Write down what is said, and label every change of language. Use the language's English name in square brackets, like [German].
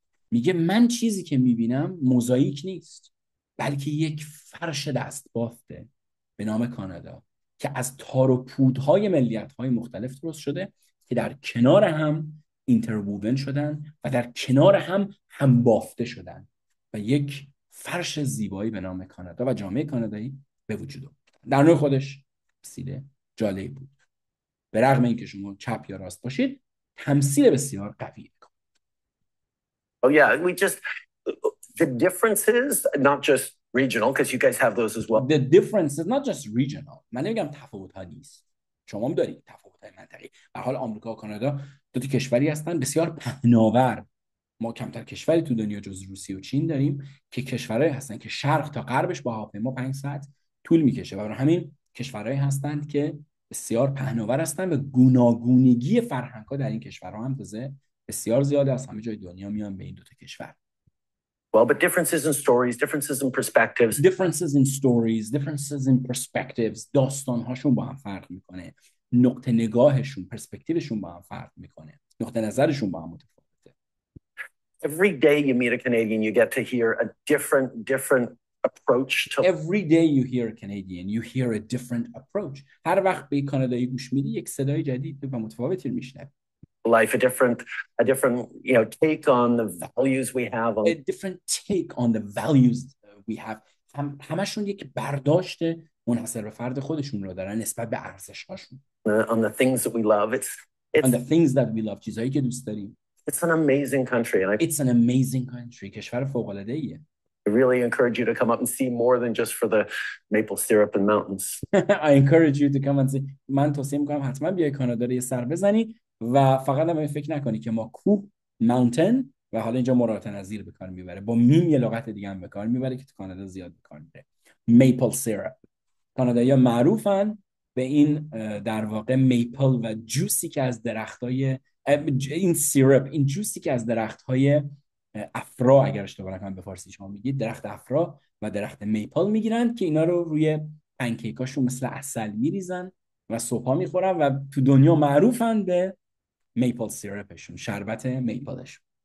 [Persian] میگه من چیزی که میبینم موزاییک نیست، بلکه یک فرش دست بافته به نام کانادا که از تار و پودهای ملیت‌های مختلف درست شده که در کنار هم اینترووون شدن و در کنار هم همبافته شدن و یک فرش زیبایی به نام کانادا و جامعه کانادایی به وجود آورد. در نوع خودش سیده جالب بود، به رغم اینکه شما چپ یا راست باشید، تمثیل بسیار قوی میکنید. [English] Oh yeah, we just the differences not just regional because you guys have those as well. The differences not just regional. [Persian] من نمیگم تفاوت ها نیست. شما هم دارید تفاوت های منطقی. به هر حال آمریکا و کانادا دو تا کشوری هستن بسیار پهناور. ما کمتر کشوری تو دنیا جز روسیه و چین داریم که کشورهایی هستن که شرق تا غربش با هواپیما 5 ساعت طول میکشه. برای همین کشورهایی هستند که بسیار پهناور هستن و گوناگونگی فرهنگ‌ها در این کشورها هم تازه بسیار زیاده، از همه جای دنیا میان به این دو تا کشور. [English] Well, but differences in stories, differences in perspectives. Differences in stories, differences in perspectives. [Persian] داستان‌هاشون با هم فرق می‌کنه. نقطه نگاهشون، پرسپکتیوشون با هم فرق می‌کنه. نقطه نظرشون با هم متفاوته. [English] Every day you meet a Canadian, you get to hear a different approach to every day you hear a Canadian you hear a different approach. [Persian] هر وقت به کانادایی گوش میدی یک صدای جدید و متفاوتی میشنوی. [English] Life a different you know take on the values we have a different take on the values we have. [Persian] همشون یک برداشت منحصر به فرد خودشون رو دارن نسبت به ارزش هاشون. [English] On the things that we love it's on the things that we love. [Persian] چیزایی که دوست داریم. [English] It's an amazing country. [Persian] کشور فوق العاده ایه. [English] I really encourage you to come up and see more than just for the maple syrup and mountains. I encourage you to come and see. [Persian] من توصیه میکنم حتما بیای کانادا رو یه سر بزنی و فقط هم فکر نکنی که ما کوه، ماونتن و حالا اینجا مرات نظیر به کار میبره. با میم یه لغت دیگه هم به کار میبره که تو کانادا زیاد به کار میبره. [English] Maple syrup. [Persian] کانادایی ها معروفن به این در واقع میپل و جوسی که از درخت های این سیرپ، این جوسی که از درخت های افرا، اگر اشتباه نکنم به فارسی شما میگید، درخت افرا و درخت میپل میگیرن که اینا رو روی پنکیکاشون مثل عسل میریزن و صبحا میخورن و تو دنیا معروفن به میپل سیرپشون، شربت میپلشون.